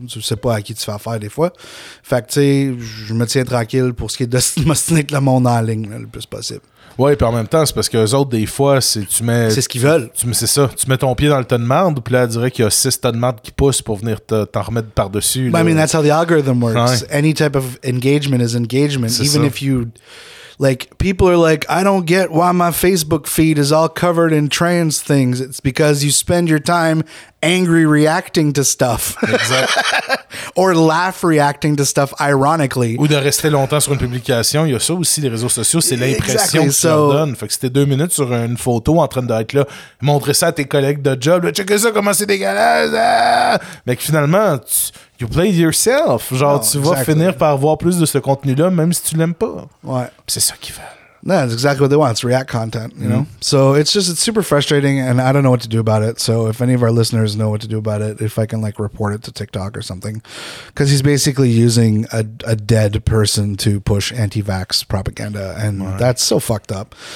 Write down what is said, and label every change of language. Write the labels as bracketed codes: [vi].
[fr] Tu sais pas à qui tu fais affaire des fois. Fait que tu sais, je me tiens tranquille pour ce qui est de m'assiner avec le monde en ligne là, le plus possible. Ouais, puis en même temps, c'est parce qu'eux autres, des fois, c'est tu mets. C'est ce qu'ils veulent. C'est ça. Tu mets ton pied dans le tas de marde, puis là, elle dirait qu'il y a 6 tas de marde qui poussent pour venir t'en remettre par-dessus. [en] I mean, that's how the algorithm works. Ouais. Any type of engagement is engagement. C'est even ça. If you. Like, people are like, I don't get why my Facebook feed is all covered in trans things. It's because you spend your time angry reacting to stuff. [fr] Exact. [en] Or laugh reacting to stuff ironically. [fr] Ou de rester longtemps sur une publication. Il y a ça aussi, les réseaux sociaux, c'est l'impression exactly. que tu leur donnes. Fait que si t'es 2 minutes sur une photo en train d'être là, montrer ça à tes collègues de job, « Check ça, comment c'est dégueulasse! » Mais que finalement, [en] you play yourself. [fr] Genre, tu vas finir par voir plus de ce contenu-là, même si tu l'aimes pas. Ouais. Pis c'est ça qu'ils veulent. [en] No, that's exactly what they want. It's React content, you know? So it's super frustrating, and I don't know what to do about it. So if any of our listeners know what to do about it, if I can, like, report it to TikTok or something. Because he's basically using a dead person to push anti-vax propaganda, and right. that's so fucked up.